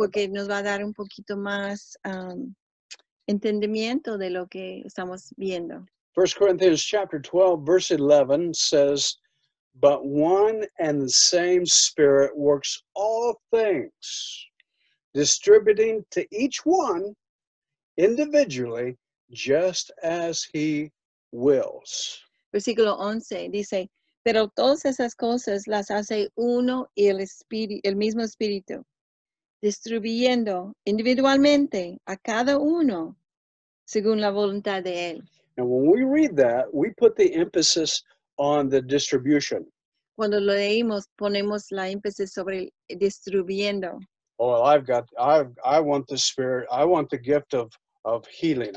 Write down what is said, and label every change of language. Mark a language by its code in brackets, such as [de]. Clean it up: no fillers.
[es] porque [en] about. [es] Porque nos va a dar un poquito más entendimiento de lo que estamos viendo. [en] 1 Corinthians chapter 12, verse 11 says, but one and the same Spirit works all things, distributing to each one individually just as he wills. [es] Versículo 11 dice, pero todas esas cosas las hace uno y el mismo Espíritu, distribuyendo individualmente a cada uno según la voluntad de él. [en] And when we read that, we put the emphasis on the distribution. [es] Cuando lo leímos, ponemos la énfasis sobre distribuyendo. [en] Oh, well, I want the Spirit, I want the gift of healing.